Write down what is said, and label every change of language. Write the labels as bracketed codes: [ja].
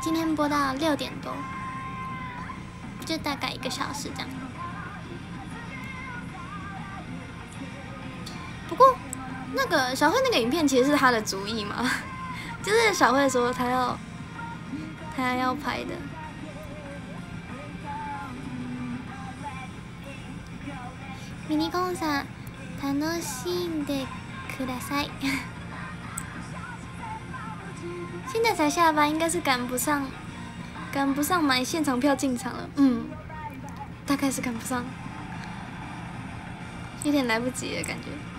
[zh] 今天播到六点多，就大概一个小时这样。不过，那个小慧那个影片其实是他的主意嘛，就是小慧说他要拍的。 [ja] ミニコンさん、楽しんでください。 [zh] 现在才下班，应该是赶不上买现场票进场了。嗯，大概是赶不上，有点来不及了感觉。